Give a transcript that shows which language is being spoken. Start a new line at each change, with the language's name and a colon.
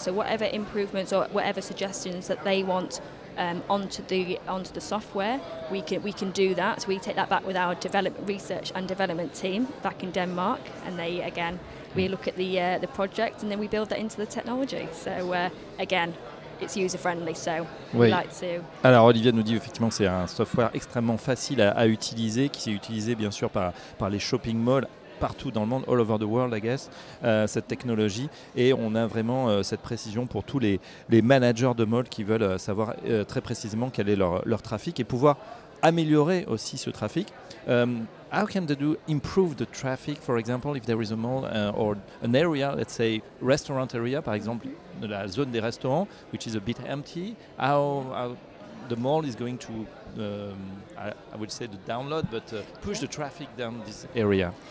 English: So whatever improvements or whatever suggestions that they want onto the software, we can do that. So we take that back with our research and development team back in Denmark, and they again we look at the project and then we build that into the technology. So again, it's user friendly. So
French: oui.
English: We like to.
French: Alors Olivia nous dit effectivement que c'est un software extrêmement facile à utiliser, qui est utilisé bien sûr par les shopping malls. Partout dans le monde,
English: all over the world, I guess,
French: cette technologie. Et on a vraiment cette précision pour tous les managers de malls qui veulent savoir très précisément quel est leur trafic et pouvoir améliorer aussi ce trafic.
English: How can they do improve the traffic, for example, if there is a mall or an area, let's say restaurant area,
French: par exemple, la zone des restaurants,
English: which is a bit empty, how the mall is going to, I would say, to download, but push the traffic down this area.